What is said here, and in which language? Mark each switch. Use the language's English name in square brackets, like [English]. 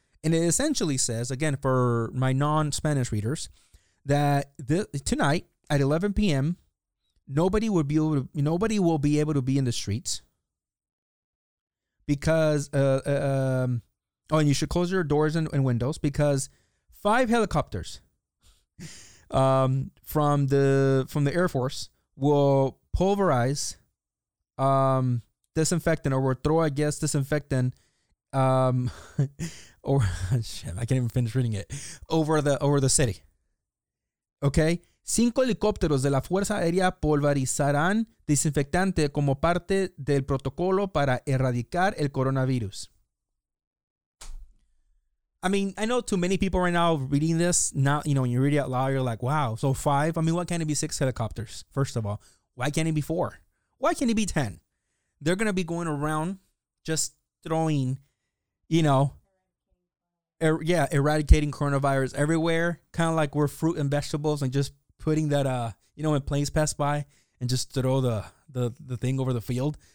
[English] And it essentially says, again, for my non-Spanish readers, that tonight at 11 p.m., nobody will be able to be in the streets because, and you should close your doors and windows because five helicopters from the Air Force will pulverize, disinfectant, or will throw, I guess, disinfectant. Or shit, I can't even finish reading it. Over the city. Okay? [Spanish] Cinco helicópteros de la Fuerza Aérea pulverizarán desinfectante como parte del protocolo para erradicar el coronavirus. [English] I mean, I know too many people right now reading this. Now, you know, when you read it out loud, you're like, wow, so five? I mean, why can't it be six helicopters, first of all? Why can't it be four? Why can't it be 10? They're going to be going around just throwing, you know, eradicating coronavirus everywhere, kind of like we're fruit and vegetables and just putting that, you know, when planes pass by and just throw the thing over the field.